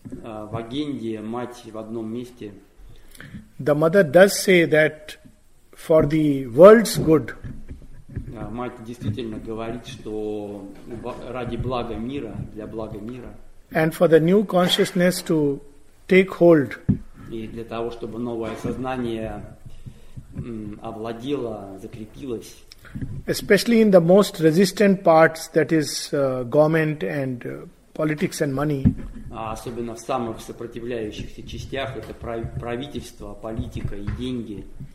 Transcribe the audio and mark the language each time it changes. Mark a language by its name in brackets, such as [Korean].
[Russian] в агенде мать в одном месте, [English] the mother does say that for the world's good. [Russian] Мать действительно говорит, что ради блага мира, для блага мира. [English] And for the new consciousness to take hold. [Russian] И для того, чтобы новое сознание овладело, закрепилось. [English] Especially in the most resistant parts, that is government and politics and money. [Russian] Особенно в самых сопротивляющихся частях, это правительство, политика и деньги.